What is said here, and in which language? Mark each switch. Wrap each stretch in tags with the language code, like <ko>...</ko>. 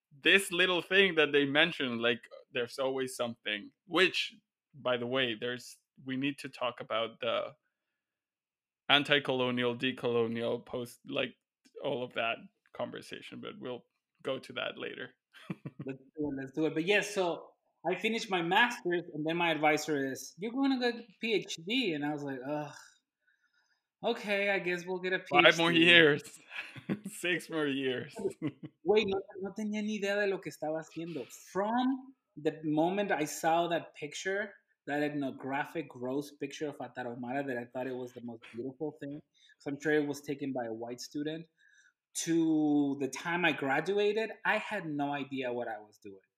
<en>this little thing that they mentioned, like, there's always something, which, by the way, we need to talk about the anti-colonial, decolonial, post, like, all of that conversation, but we'll go to that later. Let's do it. But yes, so I finished my master's, and then my advisor is, you're going to get a PhD. And I was like, ugh, okay, I guess we'll get a PhD. 5 more years. 6 more years.</en> <es>Wait, no tenía ni idea de lo que estaba haciendo.</es> <en>From the moment I saw that picture, that ethnographic gross picture of a tarahumara that I thought it was the most beautiful thing, because I'm sure it was taken by a white student, to the time I graduated, I had no idea what I was doing.</en>